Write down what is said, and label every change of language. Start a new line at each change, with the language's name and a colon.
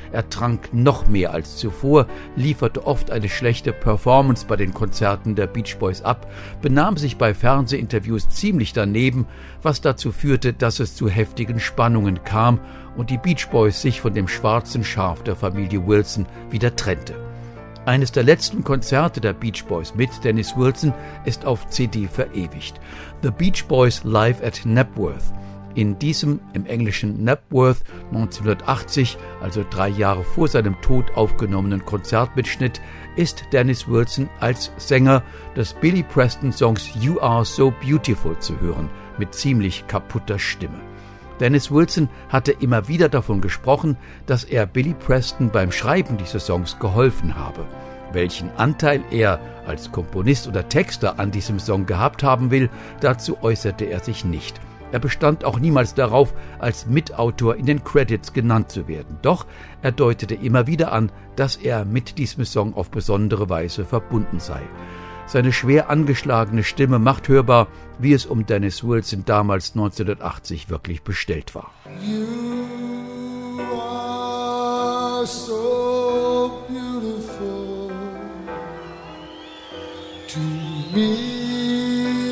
German: Er trank noch mehr als zuvor, lieferte oft eine schlechte Performance bei den Konzerten der Beach Boys ab, benahm sich bei Fernsehinterviews ziemlich daneben, was dazu führte, dass es zu heftigen Spannungen kam und die Beach Boys sich von dem schwarzen Schaf der Familie Wilson wieder trennte. Eines der letzten Konzerte der Beach Boys mit Dennis Wilson ist auf CD verewigt.
English: The Beach Boys Live at Knapwath.
German: In diesem, im englischen Knapwath, 1980, also 3 Jahre vor seinem Tod aufgenommenen Konzertmitschnitt, ist Dennis Wilson als Sänger des Billy Preston Songs You Are So Beautiful zu hören, mit ziemlich kaputter Stimme. Dennis Wilson hatte immer wieder davon gesprochen, dass er Billy Preston beim Schreiben dieses Songs geholfen habe. Welchen Anteil er als Komponist oder Texter an diesem Song gehabt haben will, dazu äußerte er sich nicht. Er bestand auch niemals darauf, als Mitautor in den Credits genannt zu werden. Doch er deutete immer wieder an, dass er mit diesem Song auf besondere Weise verbunden sei. Seine schwer angeschlagene Stimme macht hörbar, wie es um Dennis Wilson damals 1980 wirklich bestellt war.
English: You are so beautiful to me.